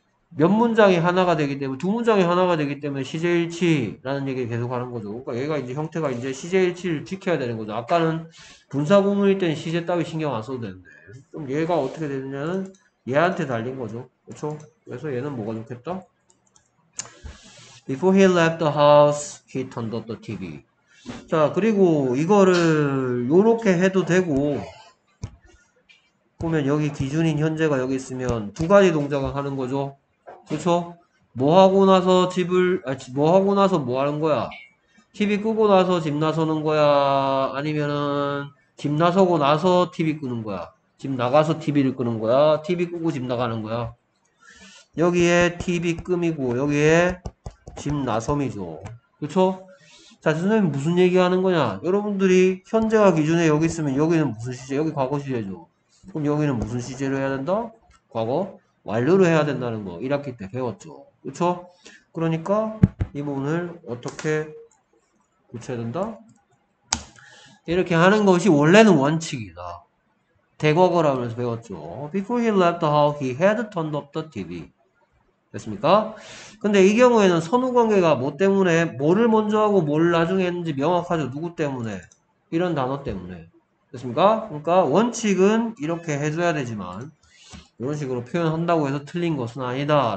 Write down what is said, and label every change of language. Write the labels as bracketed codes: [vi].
[ko] 몇 문장이 하나가 되기 때문에 두 문장이 하나가 되기 때문에 시제일치라는 얘기를 계속 하는 거죠. 그러니까 얘가 이제 형태가 이제 시제일치를 지켜야 되는 거죠. 아까는 분사구문일 때는 시제 따위 신경 안 써도 되는데 그럼 얘가 어떻게 되느냐는 얘한테 달린 거죠. 그렇죠? 그래서 얘는 뭐가 좋겠다? [en] Before he left the house, he turned off the TV. [ko] 자, 그리고 이거를 요렇게 해도 되고 보면 여기 기준인 현재가 여기 있으면 두 가지 동작을 하는 거죠. 그렇죠? 뭐 하고 나서 뭐 하는 거야? TV 끄고 나서 집 나서는 거야? 아니면은 집 나서고 나서 TV 끄는 거야? 집 나가서 TV를 끄는 거야? TV 끄고 집 나가는 거야? 여기에 TV 끄미고, 여기에 집 나섬이죠. 그쵸? 자, 선생님 무슨 얘기하는 거냐? 여러분들이 현재와 기준에 여기 있으면 여기는 무슨 시제? 여기 과거 시제죠. 그럼 여기는 무슨 시제로 해야 된다? 과거? 완료로 해야 된다는 거. 1학기 때 배웠죠. 그쵸? 그러니까 이 부분을 어떻게 고쳐야 된다? 이렇게 하는 것이 원래는 원칙이다. 대과거라면서 배웠죠. [en] Before he left the house, he had turned off the TV. [ko] 됐습니까? 근데 이 경우에는 선후 관계가 뭐 때문에, 뭐를 먼저 하고 뭘 나중에 했는지 명확하죠. 누구 때문에. 이런 단어 때문에. 됐습니까? 그러니까 원칙은 이렇게 해줘야 되지만, 이런 식으로 표현한다고 해서 틀린 것은 아니다.